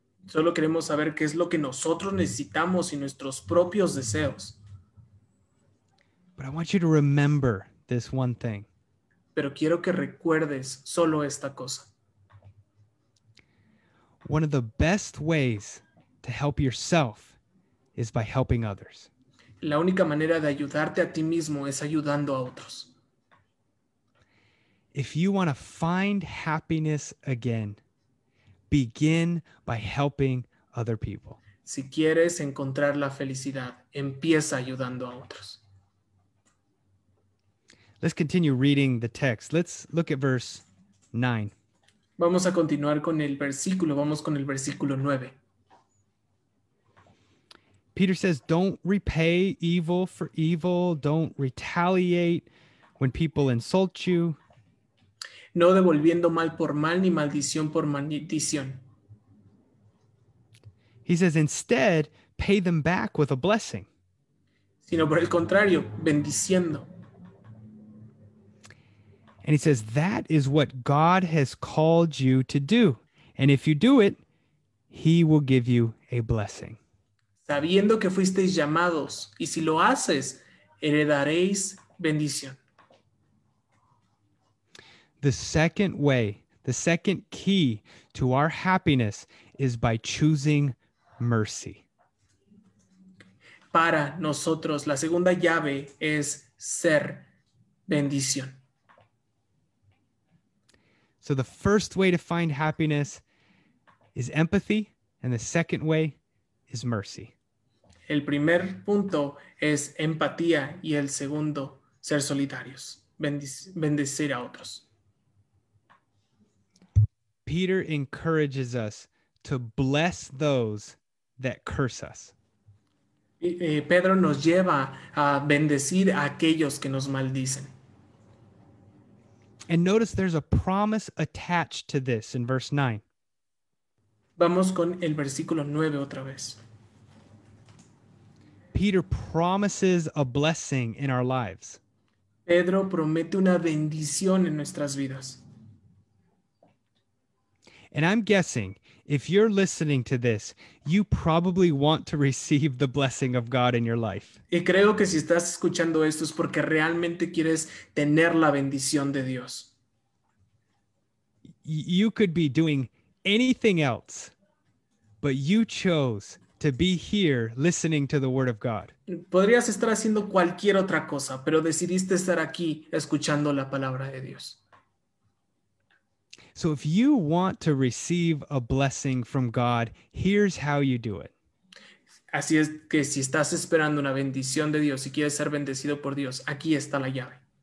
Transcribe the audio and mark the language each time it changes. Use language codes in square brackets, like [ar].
[es] Solo queremos saber qué es lo que nosotros necesitamos y nuestros propios deseos. [en] But I want you to remember this one thing. [es] Pero quiero que recuerdes solo esta cosa. [en] One of the best ways to help yourself is by helping others. [es] La única manera de ayudarte a ti mismo es ayudando a otros. [en] If you want to find happiness again, begin by helping other people. [es] Si quieres encontrar la felicidad, empieza ayudando a otros. [en] Let's continue reading the text. Let's look at verse 9. [es] Vamos a continuar con el versículo. Vamos con el versículo 9. [en] Peter says, don't repay evil for evil. Don't retaliate when people insult you. [es] No devolviendo mal por mal, ni maldición por maldición. [en] He says, instead, pay them back with a blessing. [es] Sino por el contrario, bendiciendo. [en] And he says, that is what God has called you to do. And if you do it, he will give you a blessing. [es] Sabiendo que fuisteis llamados, y si lo haces, heredaréis bendición. [en] The second way, the second key to our happiness is by choosing mercy. [es] Para nosotros, la segunda llave es ser bendición. [en] So the first way to find happiness is empathy, and the second way is mercy. [es] El primer punto es empatía, y el segundo, ser solidarios, bendecir a otros. [en] Peter encourages us to bless those that curse us. [es] Pedro nos lleva a bendecir a aquellos que nos maldicen. [en] And notice there's a promise attached to this in verse 9. [es] Vamos con el versículo 9 otra vez. [en] Peter promises a blessing in our lives. [es] Pedro promete una bendición en nuestras vidas. [en] And I'm guessing, if you're listening to this, you probably want to receive the blessing of God in your life. [es] Y creo que si estás escuchando esto es porque realmente quieres tener la bendición de Dios. [en] You could be doing anything else, but you chose to be here listening to the Word of God. [es] Podrías estar haciendo cualquier otra cosa, pero decidiste estar aquí escuchando la palabra de Dios. [en] So if you want to receive a blessing from God, here's how you do it. [es] Así es que si estás esperando una bendición de Dios y quieres ser bendecido por Dios, aquí está la llave.